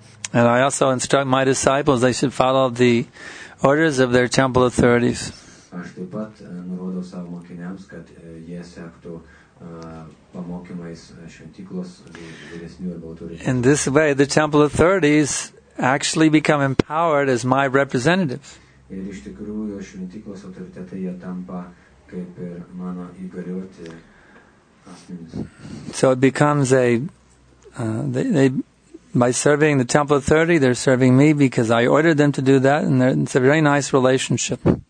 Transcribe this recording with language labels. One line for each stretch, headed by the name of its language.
English: And I also instruct my disciples they should follow the orders of their temple authorities.
Lithuanian: Aš taip pat nurodau savo mokiniams, kad jie sektų pamokymais šventyklos vyresnių arba autoritetų.
English: In this way, the temple authorities actually become empowered as my representatives.
Lithuanian: Ir iš tikrųjų, šventyklos autoritetai jie tampa kaip ir mano įgalioti asmenys.
English: So it becomes a... By serving the temple authority, they're serving me because I ordered them to do that, and it's a very nice relationship.